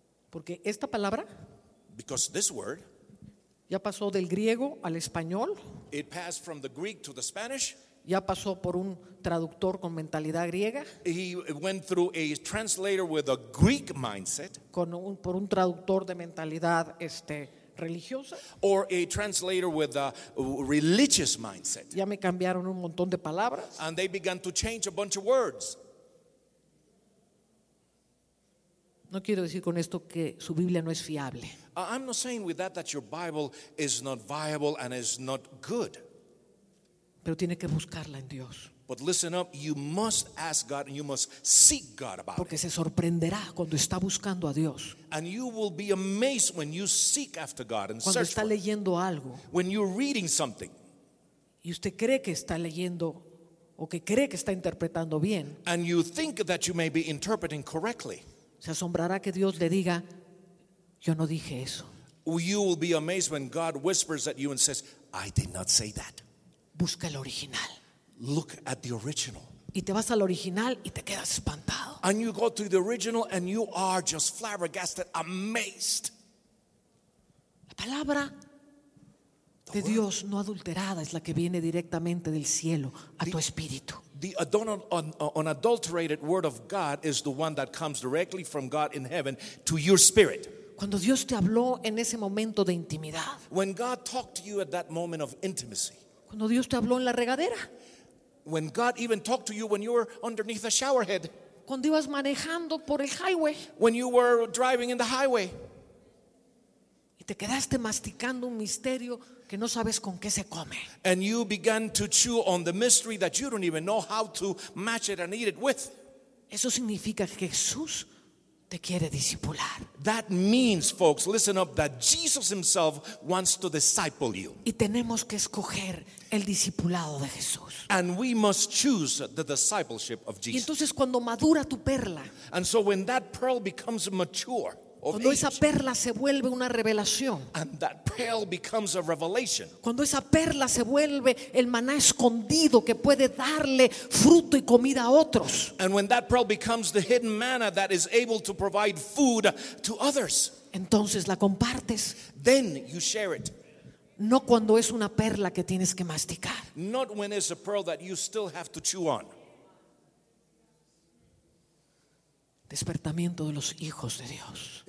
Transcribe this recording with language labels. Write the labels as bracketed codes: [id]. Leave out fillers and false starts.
[es] Porque esta palabra. [en] Because this word. [es] Ya pasó del griego al español. [en] It passed from the Greek to the Spanish. [es] Ya pasó por un traductor con mentalidad griega. [en] He went through a translator with a Greek mindset. [es] Por un traductor de mentalidad religiosa, [en] or a translator with a religious mindset. [es] Ya me cambiaron un montón de palabras. [en] And they began to change a bunch of words. [es] No quiero decir con esto que su Biblia no es fiable. [en] I'm not saying with that your Bible is not viable and is not good. [es] Pero tiene que buscarla en Dios. [en] But listen up, you must ask God and you must seek God about it. [es] Porque se sorprenderá cuando está buscando a Dios. [en] And you will be amazed when you seek after God and [es] cuando [en] search [es] está leyendo algo. [en] When you're reading something. [es] Y usted cree que está leyendo o que cree que está interpretando bien. [en] And you think that you may be interpreting correctly. [es] Se asombrará que Dios le diga, yo no dije eso. [en] You will be amazed when God whispers at you and says, I did not say that. [es] Busca el original. [en] Look at the original. [es] Y te vas al original y te quedas espantado. [en] And you go to the original and you are just flabbergasted, amazed. [es] La palabra de Dios no adulterada es la que viene directamente del cielo a tu espíritu. [en] The unadulterated word of God is the one that comes directly from God in heaven to your spirit. [es] Cuando Dios te habló en ese momento de intimidad. [en] When God talked to you at that moment of intimacy. [es] Cuando Dios te habló en la regadera. [en] When God even talked to you when you were underneath the showerhead. [es] Cuando ibas manejando por el highway. [en] When you were driving in the highway. [es] Y te quedaste masticando un misterio que no sabes con qué se come. [en] And you began to chew on the mystery that you don't even know how to match it and eat it with. [es] Eso significa que Jesús te quiere discipular. [en] That means, folks, listen up, that Jesus himself wants to disciple you. [es] Y tenemos que escoger el discipulado de Jesús. [en] And we must choose the discipleship of Jesus. [es] Y entonces cuando madura tu perla. [en] And so when that pearl becomes mature. [es] Cuando esa perla se vuelve una revelación. [en] And that pearl becomes a revelation. [es] Cuando esa perla se vuelve el maná escondido que puede darle fruto y comida a otros. [en] And when that pearl becomes the hidden manna that is able to provide food to others. [es] Entonces la compartes. [en] Then you share it. [es] No cuando es una perla que tienes que masticar. [en] Not when it's a pearl that you still have to chew on. [es] Despertamiento de los hijos de Dios.